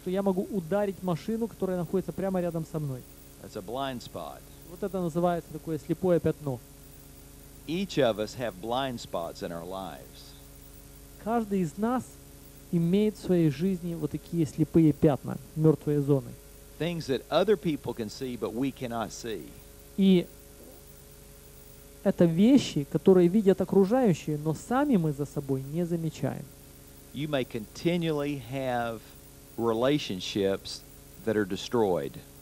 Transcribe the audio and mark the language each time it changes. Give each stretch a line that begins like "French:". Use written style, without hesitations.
Russian: То я могу ударить машину, которая находится прямо рядом со мной.
English: That's a blind spot.
Russian: Вот это называется такое слепое пятно.
English: Each of us have blind spots in our lives.
Russian: Каждый из нас имеет в своей жизни вот такие слепые пятна, мертвые зоны.
English: Things that other people can see, but we cannot see.
Russian: И это вещи, которые видят окружающие, но сами мы за собой не замечаем.
English: You may continually have relationships that are destroyed.